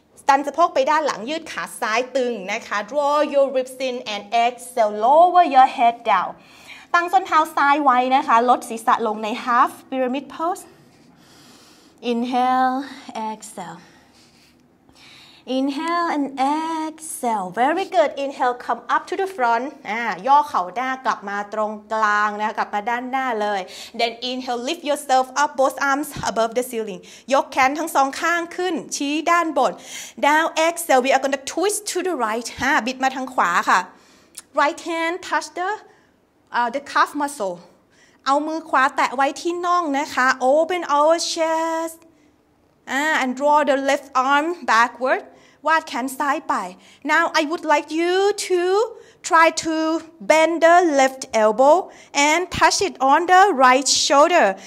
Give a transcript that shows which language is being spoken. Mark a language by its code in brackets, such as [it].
[th] ดันสะโพกไปด้านหลังยืดขาซ้ายตึงนะคะ [en] Draw your ribs in and exhale, lower your head down [th] ตั้งส้นเท้าซ้ายไว้นะคะลดศีรษะลงใน half pyramid pose [en] Inhale, exhale. Inhale and exhale. Very good. Inhale, come up to the front. [th] ย่อเข่าหน้ากลับมาตรงกลางนะกลับมาด้านหน้าเลย [en] Then inhale, lift yourself up, both arms above the ceiling. [th] ยกแขนทั้งสองข้างขึ้นชี้ด้านบน [en] Now exhale, we are going to twist to the right. [th] บิดมาทางขวาค่ะ [en] Right hand touch the calf muscle. [th] เอามือขวาแตะไว้ที่น่องนะคะ [en] Open our chest and draw the left arm backward [th] วาดแขนซ้ายไป [en] Now I would like you to try to bend the left elbow and touch it on the right shoulder